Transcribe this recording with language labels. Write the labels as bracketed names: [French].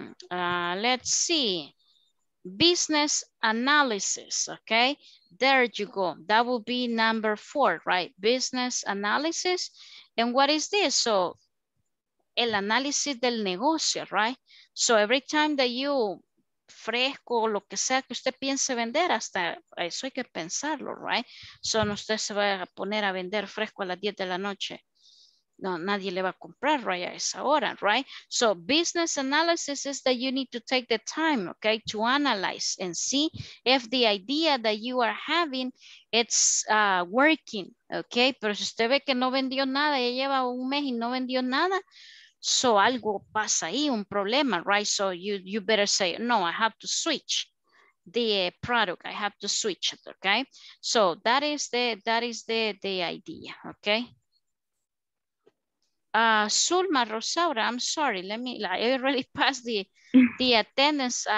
[English] Let's see, business analysis, okay, there you go, that will be number four, right, business analysis, and what is this, so, [Spanish] el análisis del negocio, [English] right, so every time that you, [Spanish] fresco, lo que sea que usted piense vender, hasta eso hay que pensarlo, [English] right, so [Spanish] no usted se va a poner a vender fresco a las 10 de la noche, no, nadie le va a comprar, right, a esa hora, [English] right? So business analysis is that you need to take the time, okay, to analyze and see if the idea that you are having, it's working, okay? [Spanish] Pero si usted ve que no vendió nada, ya lleva un mes y no vendió nada, so algo pasa ahí, un problema, [English] right? So you better say, no, I have to switch the product, I have to switch it, okay? So that is the idea, okay? Zulma Rosaura, I'm sorry, let me, I already passed the attendance.